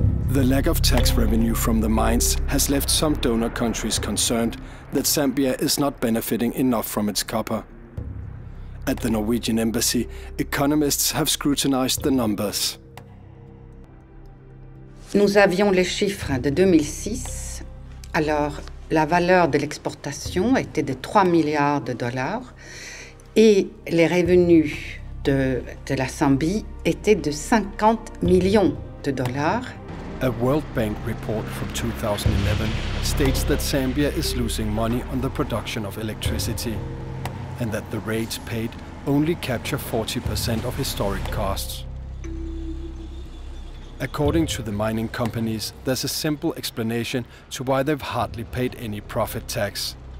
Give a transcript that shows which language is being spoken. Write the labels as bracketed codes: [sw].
[en] The lack of tax revenue from the mines has left some donor countries concerned that Zambia is not benefiting enough from its copper. At the Norwegian embassy, economists have scrutinized the numbers. [fr] Nous avions les chiffres de 2006. Alors, la valeur de l'exportation était de 3 milliards de dollars et les revenus de la Zambie étaient de 50 millions de dollars. [en] A World Bank report from 2011 states that Zambia is losing money on the production of electricity and that the rates paid only capture 40% of historic costs. According to the mining companies, there's a simple explanation to why they've hardly paid any profit tax.